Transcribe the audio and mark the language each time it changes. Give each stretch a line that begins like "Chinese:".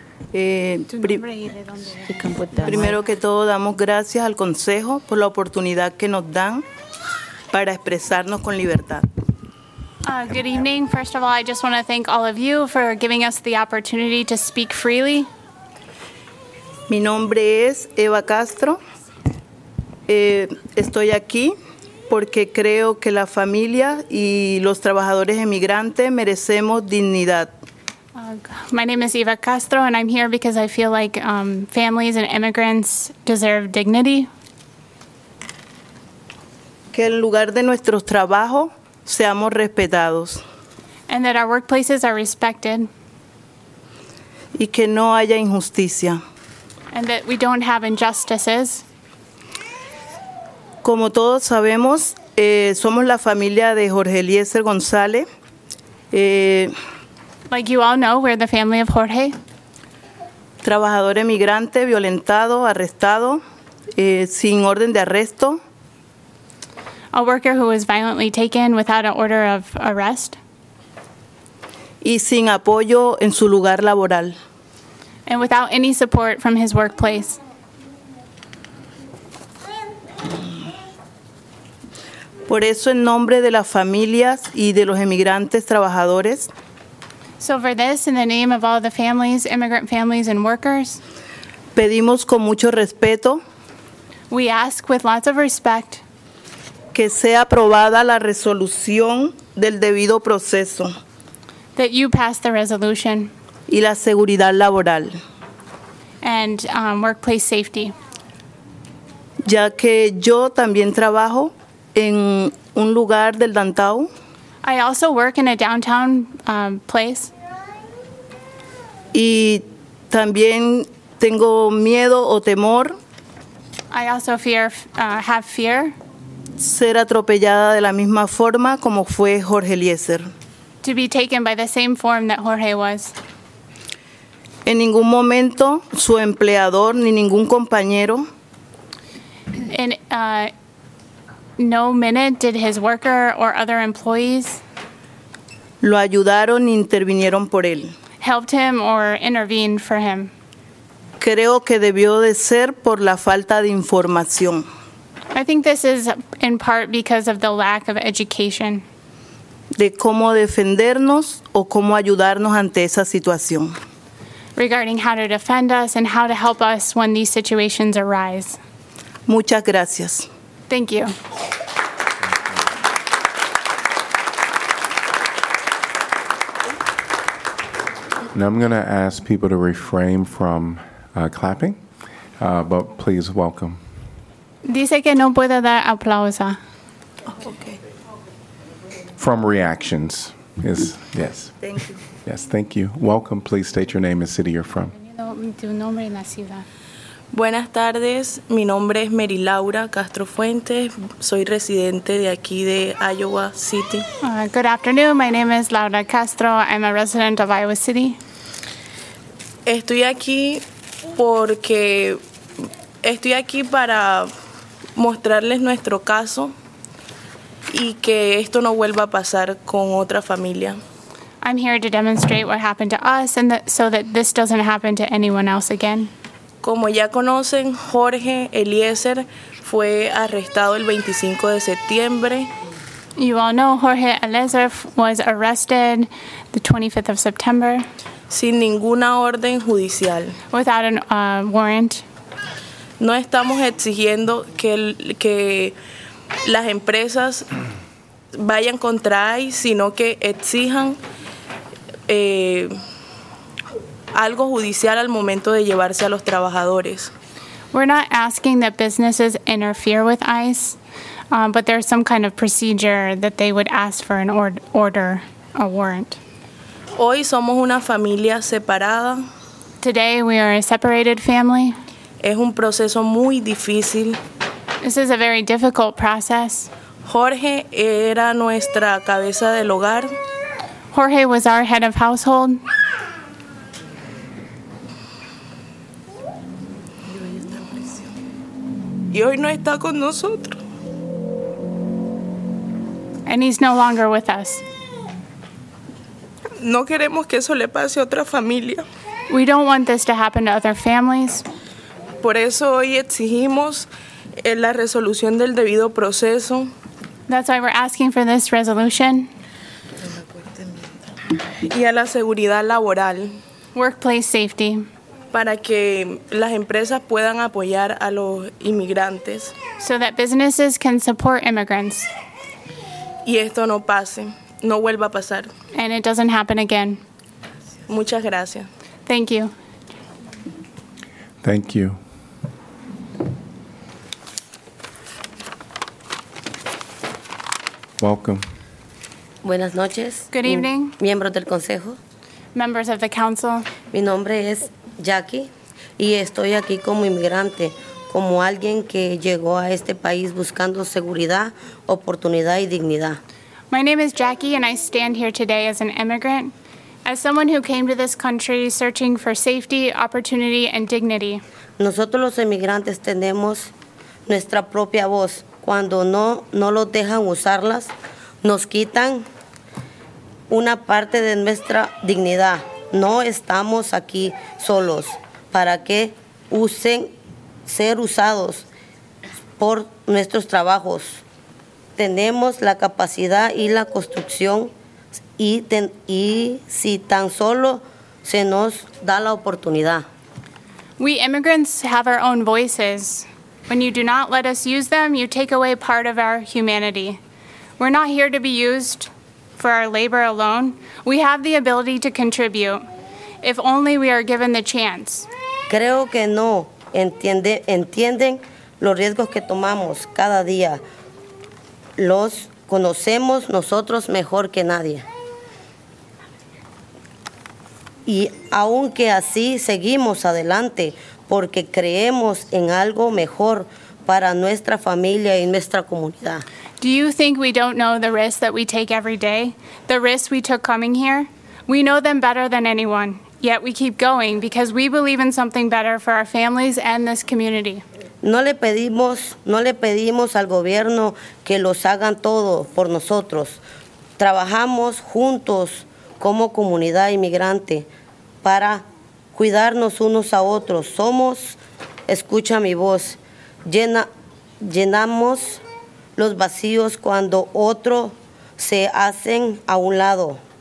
Spanish: Primero que todo, damos gracias al Consejo por la oportunidad que nos dan para expresarnos con libertad.
English: Good evening. First of all, I just want to thank all of you for giving us the opportunity to speak freely.
Spanish: Mi nombre es Eva Castro. Estoy aquí porque creo que la familia y los trabajadores emigrantes merecemos dignidad.
English: My name is Eva Castro, and I'm here because I feel like families and immigrants deserve dignity.
Spanish: Que en lugar de nuestros trabajos seamos respetados.
English: And that our workplaces are respected.
Spanish: Y que no haya injusticia.
English: And that we don't have injustices.
Spanish: Como todos sabemos, somos la familia de Jorge Eliezer González.
English: Like you all know, we're the family of Jorge.
Spanish: Trabajador emigrante, violentado, arrestado, sin orden de arresto.
English: A worker who was violently taken without an order of arrest.
Spanish: Y sin apoyo en su lugar laboral.
English: And without any support from his workplace.
Spanish: Por eso, en nombre de las familias y de los emigrantes trabajadores,
English: so for this, in the name of all the families, immigrant families, and workers,
Spanish: pedimos con mucho respeto,
English: we ask with lots of respect,
Spanish: que sea aprobada la resolución del debido proceso,
English: that you pass the resolution,
Spanish: y la seguridad laboral,
English: and workplace safety.
Spanish: Ya que yo también trabajo en un lugar del downtown.
English: I also work in a downtown place.
Spanish: Y también tengo miedo o temor.
English: I also fear, have fear.
Spanish: Ser atropellada de la misma forma como fue Jorge Eliezer.
English: To be taken by the same form that Jorge was.
Spanish: En ningún momento su empleador ni ningún compañero.
English: In no minute did his worker or other employees.
Spanish: Lo ayudaron e intervinieron por él.
English: Helped him or intervened for him.
Spanish: Creo que debió de ser por la falta de información.
English: I think this is in part because of the lack of education.
Spanish: De cómo defendernos o cómo ayudarnos ante esa situación.
English: Regarding how to defend us and how to help us when these situations arise.
Spanish: Muchas gracias.
English: Thank you. Now I'm going to ask people to refrain from clapping, but please welcome.
Spanish: Dice que no puede dar aplauso.
English: Okay. From reactions, is yes. Thank you. Yes, thank you. Welcome. Please state your name and city you're from.
Spanish: Buenas tardes. Mi nombre es Mary Laura Castro Fuentes. Soy residente de aquí de Iowa City.
English: Good afternoon. My name is Laura Castro. I'm a resident of Iowa City.
Spanish: Estoy aquí porque estoy aquí para mostrarles nuestro caso y que esto no vuelva a pasar con otra familia.
English: I'm here to demonstrate what happened to us and so that this doesn't happen to anyone else again.
Spanish: Como ya conocen, Jorge Eliezer fue arrestado el 25 de septiembre.
English: You all know Jorge Eliezer was arrested the 25th of September.
Spanish: Sin ninguna orden judicial.
English: Without an warrant.
Spanish: No estamos exigiendo que las empresas vayan contra ICE, sino que exijan algo judicial al momento de llevarse a los trabajadores.
English: We're not asking that businesses interfere with ICE, but there's some kind of procedure that they would ask for an order, a warrant.
Spanish: Hoy somos una familia separada.
English: Today we are a separated family.
Spanish: Es un proceso muy difícil.
English: This is a very difficult process.
Spanish: Jorge era nuestra cabeza del hogar.
English: Jorge was our head of household.
Spanish: Y hoy no está con nosotros.
English: And he's no longer with us.
Spanish: No queremos que eso le pase a otra familia.
English: We don't want this to happen to other families.
Spanish: Por eso hoy exigimos la resolución del debido proceso.
English: That's why we're asking for this resolution.
Spanish: Y a la seguridad laboral.
English: Workplace safety.
Spanish: Para que las empresas puedan apoyar a los inmigrantes.
English: So that businesses can support immigrants.
Spanish: Y esto no pase, no vuelva a pasar.
English: And it doesn't happen again.
Spanish: Muchas gracias.
English: Thank you. Thank you. Welcome.
Spanish: Buenas noches.
English: Good evening.
Spanish: Miembros del consejo.
English: Members of the council.
Spanish: Mi nombre es Jackie y estoy aquí como inmigrante, como alguien que llegó a este país buscando seguridad, oportunidad y dignidad.
English: My name is Jackie and I stand here today as an immigrant, as someone who came to this country searching for safety, opportunity and dignity.
Spanish: Nosotros los inmigrantes tenemos nuestra propia voz. Cuando no los dejan usarlas, nos quitan una parte de nuestra dignidad. No estamos aquí solos para que usen ser usados por nuestros trabajos. Tenemos la capacidad y la construcción y si tan solo se nos da la oportunidad.
English: We immigrants have our own voices. When you do not let us use them, you take away part of our humanity. We're not here to be used for our labor alone. We have the ability to contribute, if only we are given the chance.
Spanish: Creo que no entienden los riesgos que tomamos cada día. Los conocemos nosotros mejor que nadie. Y aunque así seguimos adelante, porque creemos en algo mejor para nuestra familia y nuestra comunidad.
English: Do you think we don't know the risks that we take every day? The risks we took coming here? We know them better than anyone, yet we keep going because we believe in something better for our families and this community.
Spanish: No le pedimos al gobierno que los hagan todo por nosotros. Trabajamos juntos como comunidad inmigrante para cuidarnos unos a otros. Somos, escucha mi voz, llenamos los vacíos cuando otros se hacen a un lado.